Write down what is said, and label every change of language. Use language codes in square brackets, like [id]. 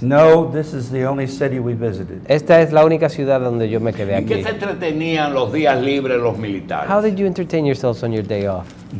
[en] No, this is the only city we visited. [es] Esta es la única ciudad donde yo me quedé aquí. ¿Y qué se entretenían los días libres los militares? [en] How did you entertain yourselves on your day off?